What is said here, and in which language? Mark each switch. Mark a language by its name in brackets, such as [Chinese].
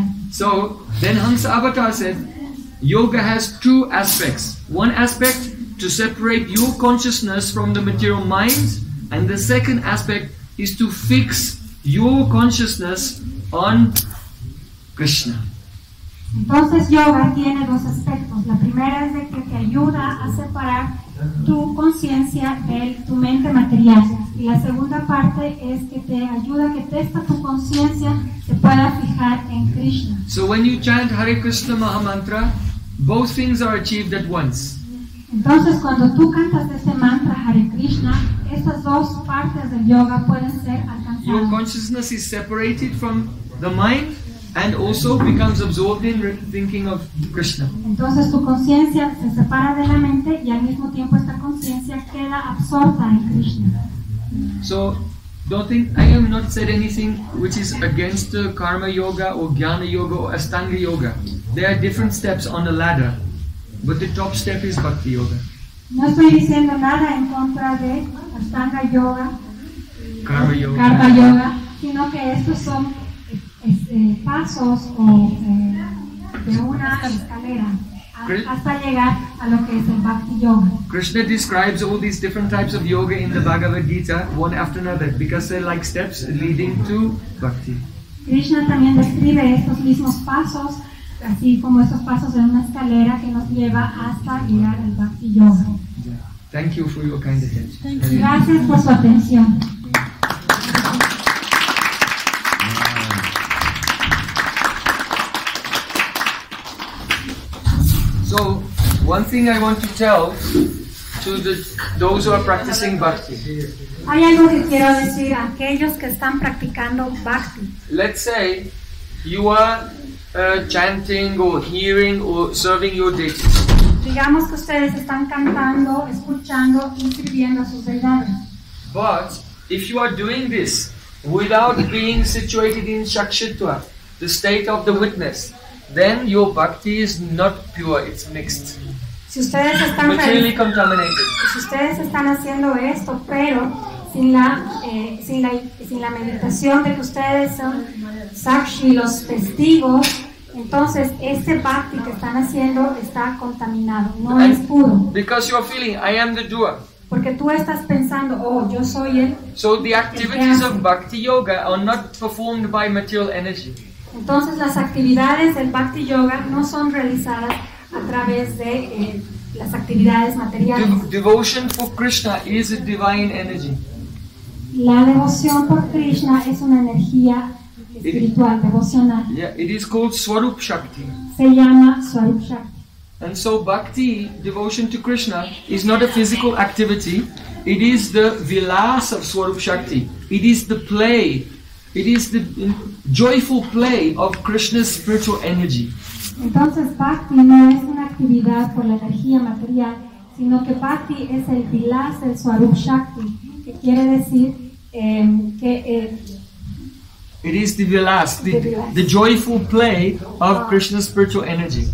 [English] So, then Hansa Avatar said, yoga has two aspects. One aspect, to separate your consciousness from the material mind, and the second aspect is to fix your consciousness on Krishna. [Spanish] Entonces yoga tiene dos aspectos. La primera es de que te ayuda a separar tu conciencia de tu mente material. Y la segunda parte es que te ayuda a que testa tu conciencia se pueda fijar en Krishna. [English] So when you chant Hare Krishna Maha Mantra, both things are achieved at once. [Spanish] Entonces cuando tú cantas este mantra Hare Krishna, esas dos partes del yoga pueden ser alcanzadas. [English] Your consciousness is separated from the mind and also becomes absorbed in thinking of Krishna. [Spanish] Entonces tu conciencia se separa de la mente y al mismo tiempo esta conciencia queda absorta en Krishna. [English] So I have not said anything which is against karma yoga or jnana yoga or astanga yoga. There are different steps on the ladder, but the top step is bhakti yoga. [Spanish] No estoy diciendo nada en contra de astanga yoga, karma yoga, karma yoga, sino que estos son pasos o de una escalera hasta llegar a lo que es el bhakti yoga. [English] Krishna describes all these different types of yoga in the Bhagavad Gita one after another because they're like steps leading to bhakti. [Spanish] Krishna también describe estos mismos pasos, así como estos pasos de una escalera que nos lleva hasta llegar al bhakti yoga. [English] Yeah. Thank you for your kind attention. Thank you. [Spanish] Gracias por su atención. [English] So, one thing I want to tell to those who are practicing bhakti. [Spanish] Hay algo que quiero decir a aquellos que están practicando bhakti. [English] Let's say you are chanting or hearing or serving your deities. [Spanish] Digamos que ustedes están cantando, escuchando y sirviendo a sus deidades. [English] But if you are doing this without being situated in Shakshitva, the state of the witness, then your bhakti is not pure, it's mixed. [Spanish] Si ustedes están [English] materially contaminated. [Spanish] Si ustedes están haciendo esto, pero sin la meditación de que ustedes son sakshi, los testigos, entonces este bhakti que están haciendo está contaminado, no and es puro. [English] Because you are feeling, I am the doer. [Spanish] Porque tú estás pensando, oh, yo soy el. [English] So the activities of bhakti yoga are not performed by material energy. [Spanish] Entonces las actividades del bhakti yoga no son realizadas a través de las actividades materiales. [English] Devotion for Krishna is a divine energy. [Spanish] La devoción por Krishna es una energía espiritual, devocional. [English] Yeah, it is called Swarup Shakti. [Spanish] Se llama Swarup Shakti. [English] And so bhakti, devotion to Krishna, is not a physical activity. It is the vilas of Swarup Shakti. It is the play. It is the joyful play of Krishna's spiritual energy. [Spanish] Entonces, bhakti no es una actividad por la energía material, sino que bhakti es el vilas del Swarup Shakti, que quiere decir que [English] it is the vilas, the joyful play of Krishna's spiritual energy.